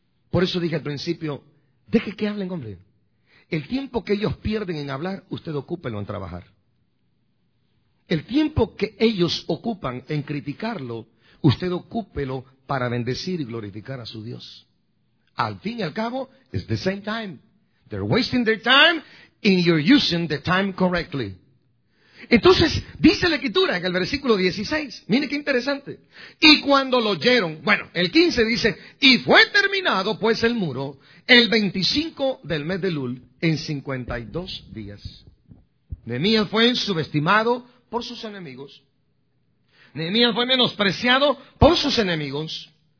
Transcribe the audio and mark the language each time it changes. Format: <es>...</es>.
<es>Por eso dije al principio, deje que hablen, hombre. El tiempo que ellos pierden en hablar, usted ocúpelo en trabajar. El tiempo que ellos ocupan en criticarlo, usted ocúpelo para bendecir y glorificar a su Dios. Al fin y al cabo,</es> <en>it's the same time. They're wasting their time and you're using the time correctly.</en> <es>Entonces, dice la Escritura en el versículo 16, mire qué interesante. Y cuando lo oyeron, bueno, el 15 dice, y fue terminado pues el muro el 25 del mes de Elul en 52 días. Nehemías fue subestimado por sus enemigos. Nehemías fue menospreciado por sus enemigos.</es>